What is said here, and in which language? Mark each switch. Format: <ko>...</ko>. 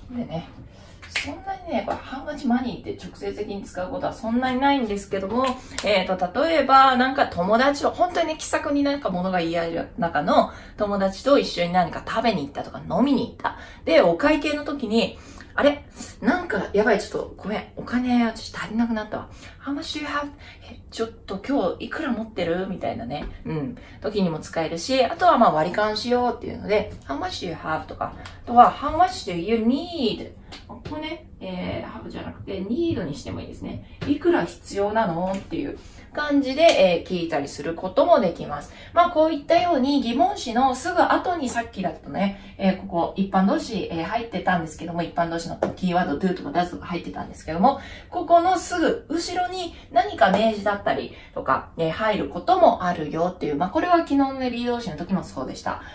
<ja>でね、そんなにね、これ How much money って直接的に使うことはそんなにないんですけども、例えば、なんか友達を、本当に、ね、気さくになんか物が言い合える中の友達と一緒に何か食べに行ったとか飲みに行った。で、お会計の時に、あれ?なんか、やばい、ちょっと、ごめん、お金、私足りなくなったわ。</ja> <en>How much do you have?</en> <ja>ちょっと今日いくら持ってる?みたいなね。うん。時にも使えるし、あとはまあ割り勘しようっていうので、</ja> <en>How much do you have?</en> <ja>とか、あとは</ja> <en>How much do you need?</en> <ja>ここね、have じゃなくて、need にしてもいいですね。いくら必要なの?っていう感じで、聞いたりすることもできます。まあこういったように疑問詞のすぐ後にさっきだとね、ここ一般動詞、入ってたんですけども、一般動詞のキーワード do とか does とか入ってたんですけども、ここのすぐ後ろに何か名詞だったりとか、入ることもあるよっていう、まあこれは昨日のね、B 動詞の時もそうでした。</ja>